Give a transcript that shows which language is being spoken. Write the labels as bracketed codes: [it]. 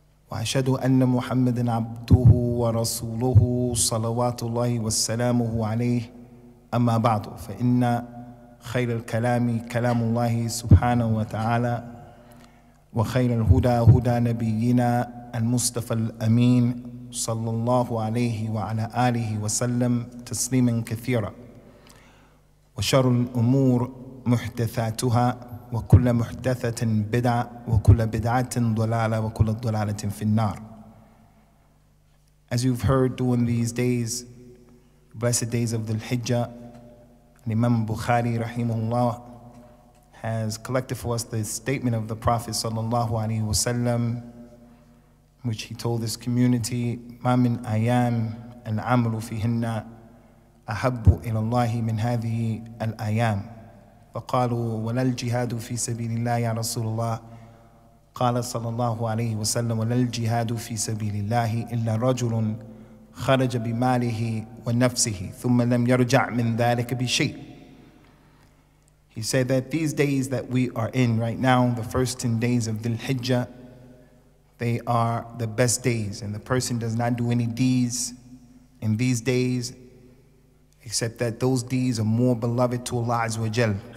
[ar] وأشهد أن محمد عبده ورسوله صلوات الله وسلامه عليه أما بعد فإن خير الكلام كلام الله سبحانه وتعالى وخير الهدى هدى نبينا المصطفى الأمين صلى الله عليه وعلى آله وسلم تسليما كثيرا وشر الأمور محدثاتها وكل محدثة بدعة وكل بدعة ضلالة وكل ضلالة في النار. [en] As you've heard during these days, blessed days of the Hijjah, Imam Bukhari rahimahullah has collected for us the statement of the Prophet sallallahu alaihi wasallam, which he told this community: [ar] ما من أيام العمل فيهن أحب إلى الله من هذه الأيام. فقالوا ولا الجهاد في سبيل الله يا رسول الله قال صلى الله عليه وسلم ولا الجهاد في سبيل الله إلا رجل خرج بماله ونفسه ثم لم يرجع من ذلك بشيء. [en] He said that these days that we are in right now, the first 10 days of Dhul Hijjah, they are the best days, and the person does not do any deeds in these days except that those deeds are more beloved to Allah Azza wa Jal.